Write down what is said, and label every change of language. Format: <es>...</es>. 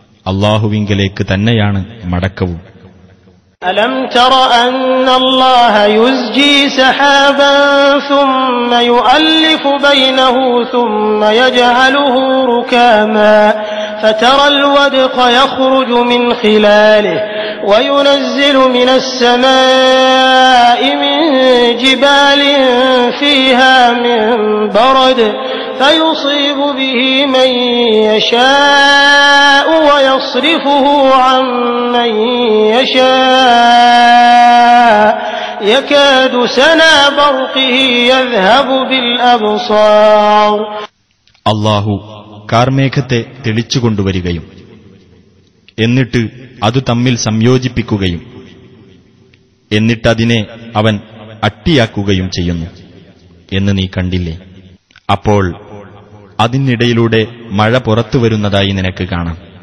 <ml>അള്ളാഹുവിങ്കലേക്ക് തന്നെയാണ് മടക്കവും.</ml> <ar>അലം തറ അന്നല്ലാഹ യുസ്ജി സഹബാ സുമ്മ യുഅല്ലിഫു ബൈനഹു സുമ്മ യജഅലുഹു റുകാമാ ഫതറൽ വദ്ഖ യഖ്റുജു മിൻ ഖിലാലിഹി وَيُنَزِّلُ مِنَ السَّمَاءِ مِن جِبَالٍ فِيهَا مِن بَرَدٍ فَيُصِيبُ بِهِ مَن يَشَاءُ وَيَصْرِفُهُ عَن مَّن يَشَاءُ يَكَادُ سَنَا بَرْقِهِ يَذْهَبُ بِالْأَبْصَارِ.</ar> <ml>اللَّهُ കാർമേഘത്തെ തെളിച്ചു കൊണ്ടുവരികയും എന്നിട്ട് അത് തമ്മിൽ സംയോജിപ്പിക്കുകയും എന്നിട്ടതിനെ അവൻ അട്ടിയാക്കുകയും ചെയ്യുന്നു എന്ന് നീ കണ്ടില്ലേ? അപ്പോൾ അതിനിടയിലൂടെ മഴ പുറത്തു വരുന്നതായി നിനക്ക് കാണാം.</ml>